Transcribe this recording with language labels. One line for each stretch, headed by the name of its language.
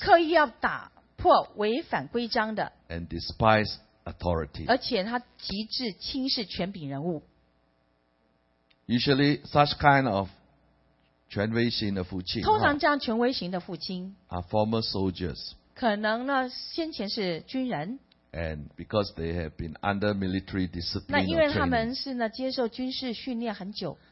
Chinese: 刻意要打破违反规章的
English: and despise authority,
Chinese: 而且他极致轻视权柄人物
English: Usually such kind of
Chinese: 权威型的父亲通常这样权威型的父亲
English: are former soldiers,
Chinese: 可能呢先前是军人
English: and because they have been under military discipline
Chinese: 那因为他们是呢接受军事训练很久